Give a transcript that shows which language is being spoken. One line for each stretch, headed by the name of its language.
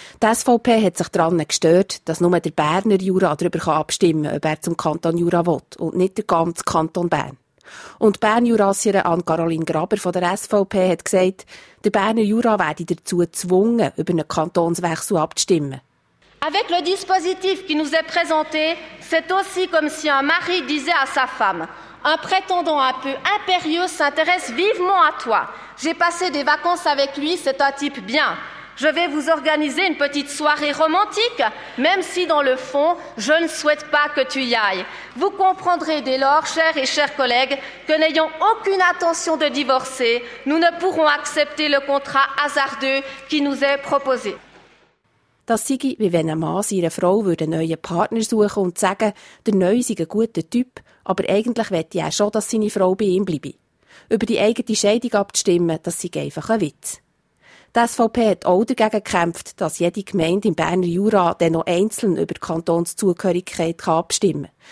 German: Die SVP hat sich daran gestört, dass nur der Berner Jura darüber abstimmen kann, ob er zum Kanton Jura will und nicht der ganze Kanton Bern. Und die Bern-Jurassierin Anne-Caroline Graber von der SVP hat gesagt, der Berner Jura werde dazu gezwungen, über einen Kantonswechsel abzustimmen.
French: Avec le dispositif qui nous est présenté, c'est aussi comme si un mari disait à sa femme: un prétendant un peu impérieux s'intéresse vivement à toi. J'ai passé des vacances avec lui, c'est un type bien. Je vais vous organiser une petite soirée romantique, même si dans le fond, je ne souhaite pas que tu y ailles. Vous comprendrez dès lors, chers et chers collègues, que n'ayant aucune intention de divorcer, nous ne pourrons accepter le contrat hasardeux qui nous est proposé.
German: Das sei, wie wenn ein Mann seine Frau würde einen neuen Partner suchen und sagen, der Neue sei ein guter Typ, aber eigentlich möchte er schon, dass seine Frau bei ihm bleibe. Über die eigene Scheidung abzustimmen, das sei einfach ein Witz. Die SVP hat auch dagegen gekämpft, dass jede Gemeinde im Berner Jura dann noch einzeln über die Kantonszugehörigkeit abstimmen kann.